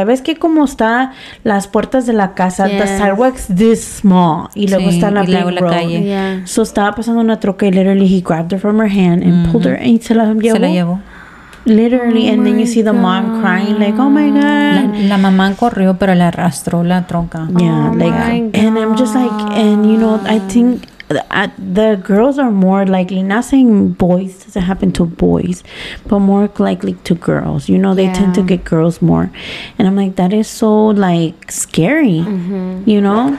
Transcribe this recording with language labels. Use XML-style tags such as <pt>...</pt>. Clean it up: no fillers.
<es>Y ves que como está las puertas de la casa,</es> <en>the sidewalk's this small.</en> <es>Y luego está la</es> <en>big road. Yeah. So</en> <es>estaba pasando una troca y</es> <en>literally he grabbed her from her hand and pulled her and</en> <es>se la llevó.</es> <en>Literally, oh, and then you see the mom crying like, oh my God.</en> <es>La mamá corrió pero le arrastró la troca.</es> <en>Yeah, oh like, and I'm just like, and you know, I think the girls are more likely, not saying boys, does it happen to boys, but more likely to girls. You know, they tend to get girls more. And I'm like, that is so, like, scary, you know?</en>